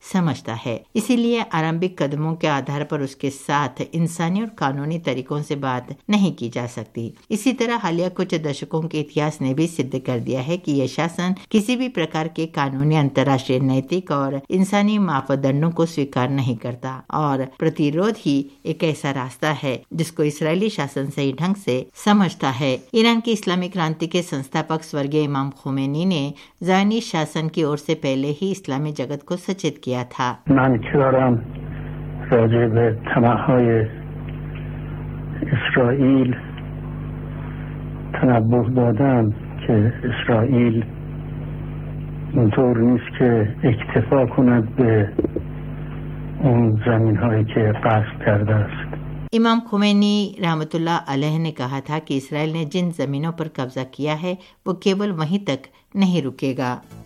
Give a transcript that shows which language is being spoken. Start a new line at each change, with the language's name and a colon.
Urdu: سمجھتا ہے۔ اسی لیے آرمبک قدموں کے آدھار پر اس کے ساتھ انسانی اور قانونی طریقوں سے بات نہیں کی جا سکتی۔ اسی طرح حالیہ کچھ دشکوں کے اتہاس نے بھی سدھ کر دیا ہے کہ یہ شاسن کسی بھی پرکار کے قانونی انتراشٹری نیتک اور انسانی معاف دنڈوں کو سویکار نہیں کرتا، اور پرتیرودھ ہی ایک ایسا راستہ ہے جس کو اسرائیلی شاسن صحیح ڈھنگ سے سمجھتا ہے۔ ایران کی اسلامی کرانتی کے سنستھاپک سورگی امام خمینی نے زائنی شاسن کی اور سے پہلے ہی اسلامی جگت کو سچت کیا تھا۔
Persian: من کیارم راجع به تنهای اسرائیل تنبه دادم که اسرائیل اونطور نیست که اکتفا کند به اون زمین هایی که غصب کرده است۔
Urdu: امام خمینی رحمت اللہ علیہ نے کہا تھا کہ اسرائیل نے جن زمینوں پر قبضہ کیا ہے وہ کیول وہیں تک نہیں رکے گا۔